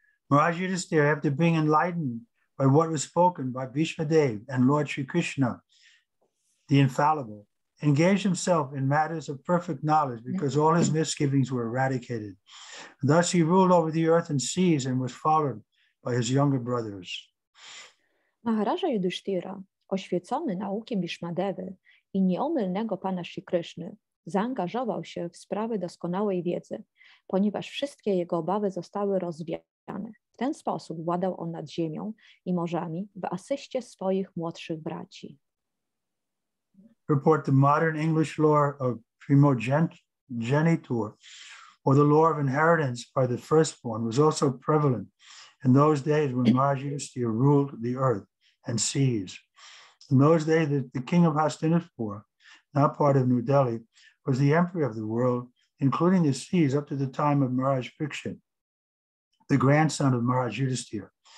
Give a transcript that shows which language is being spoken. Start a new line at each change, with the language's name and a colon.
English: Maharaj Yudhisthira, after being enlightened by what was spoken by Bhishma Dev and Lord Sri Krishna, the infallible, engaged himself in matters of perfect knowledge because all his misgivings were eradicated. Thus he ruled over the earth and seas and was followed by his younger brothers.
Polish: Maharaja Yudhisthira, oświecony naukiem Bhishmadevy i nieomylnego Pana Sri Krishny, zaangażował się w sprawy doskonałej wiedzy, ponieważ wszystkie jego obawy zostały rozwiane. W ten sposób władał on nad ziemią i morzami w asyście swoich młodszych braci.
English: Report the modern English lore of primogeniture, or the law of inheritance by the firstborn, was also prevalent in those days when Maharaja Yudhisthira ruled the earth and seas. In those days, the king of Hastinapura, now part of New Delhi, was the emperor of the world, including the seas, up to the time of Maharaj Pariksit, the grandson of Maharaj Yudhisthira.